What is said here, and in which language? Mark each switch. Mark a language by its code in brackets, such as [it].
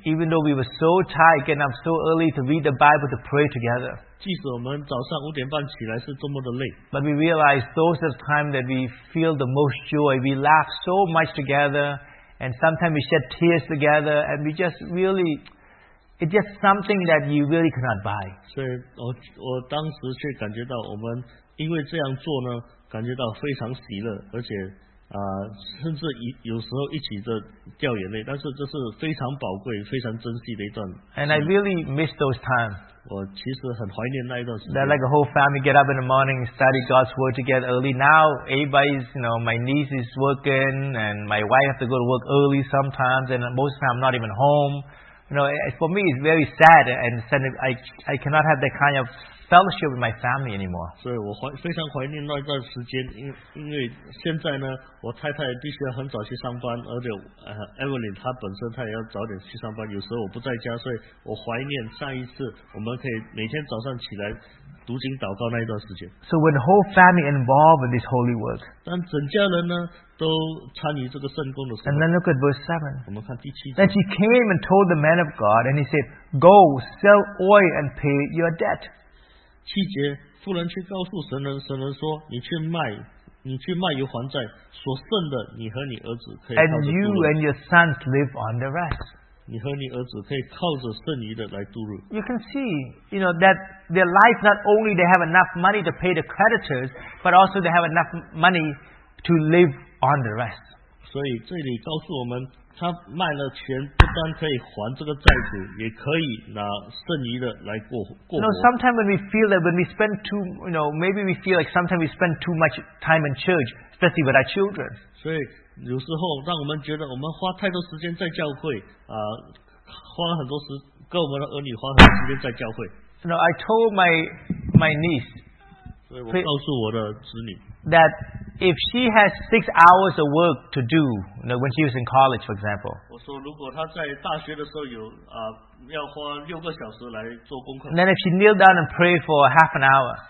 [en] Even though we were so tired, getting up so early to read the Bible to pray together. [zh] 即使我们早上五点半起来是多么的累 [en] ，But we realize those are the time that we feel the most joy. We laugh so much together, and sometimes we shed tears together, and we just really, it's just something that you really cannot buy. [zh] 所以我当时却感觉到，我们因为这样做呢，感觉到非常喜乐，而且甚至有时候一起的掉眼泪。但是这是非常宝贵、非常珍惜的一段。 [en] And I really miss those times. [zh] 我其实很怀念那一段时间。 [en] That like a whole family get up in the morning and study God's word together early. Now everybody's, you know, my niece is working and my wife has to go to work early sometimes and most of the time I'm not even home. You know, for me it's very sad and sad. I cannot have that kind of fellowship with my family anymore. [zh] 所以我非常怀念那段时间，因为现在呢，我太太必须要很早去上班，而且Evelyn 她本身她也要早点去上班，有时候我不在家，所以我怀念上一次我们可以每天早上起来读经祷告那一段时间。 [en] So when the whole family involved in this holy work. [zh] 但整家人呢都参与这个圣工的时候。 [en] And then look at verse 7. [zh] 我们看第七节。 [en] Then she came and told the man of God, and he said, "Go sell oil and pay your debt." [zh] 七节，妇人去告诉神人，神人说：“你去卖油还债，所剩的你和你儿子可以靠着度日。” [en] And you and your sons live on the rest. [zh] 你和你儿子可以靠着剩余的来度日。 [en] You can see, you know, that their life not only they have enough money to pay the creditors, but also they have enough money to live on the rest. [zh] 所以这里告诉我们。他卖了钱，不单可以还这个债主，也可以拿剩余的来过活。 [en] You know, sometimes when we feel that when we spend too, you know, maybe we feel like sometimes we spend too much time in church, especially with our children. [zh] 所以有时候让我们觉得我们花太多时间在教会，花了很多时跟我们的儿女花很多时间在教会。 [en] You know, I told my niece. [zh] 所以我告诉我的子女。 [en] That if she has 6 hours of work to do, you know, when she was in college, for example, [zh] 我说如果她在大学的时候有要花6个小时来做功课 [en] then if she kneel down and pray for half an hour,